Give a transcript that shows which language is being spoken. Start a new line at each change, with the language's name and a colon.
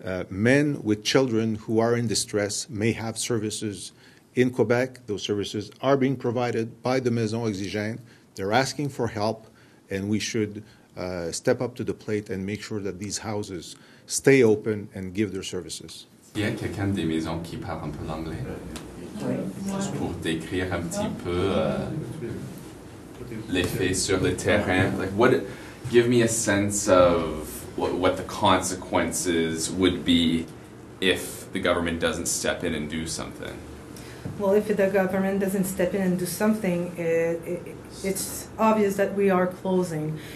English: men with children who are in distress may have services in Quebec. Those services are being provided by the Maison Oxygène. They're asking for help, and we should step up to the plate and make sure that these houses stay open and give their services.
French: Il y a quelqu'un des maisons qui parle un peu l'anglais. Oui. Pour décrire un petit peu l'effet sur le terrain.
English: Like what? Give me a sense of what the consequences would be if the government doesn't step in and do something. Well, if the government doesn't step in and do something, it's obvious that we are closing.